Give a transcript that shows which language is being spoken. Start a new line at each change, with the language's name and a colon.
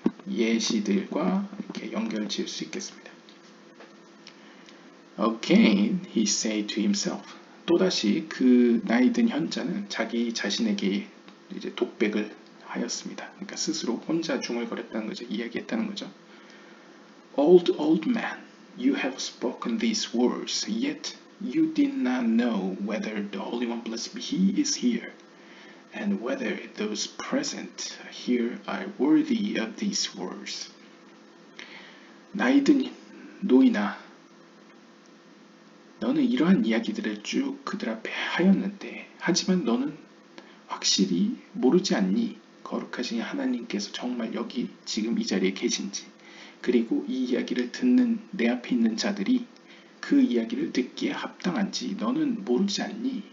Korean: 예시들과 이렇게 연결 지을 수 있겠습니다.
English: Again, he said to himself.
Korean: 또다시 그 나이 든 현자는 자기 자신에게 이제 독백을 하였습니다. 그러니까 스스로 혼자 중얼거렸다는 거죠. 이야기했다는 거죠.
English: Old, old man, you have spoken these words, yet you did not know whether the Holy One blessed be He is here, and whether those present here are worthy of these words.
Korean: 나이 든 노인아, 너는 이러한 이야기들을 쭉 그들 앞에 하였는데, 하지만 너는 확실히 모르지 않니? 거룩하신 하나님께서 정말 여기 지금 이 자리에 계신지, 그리고 이 이야기를 듣는 내 앞에 있는 자들이 그 이야기를 듣기에 합당한지 너는 모르지 않니?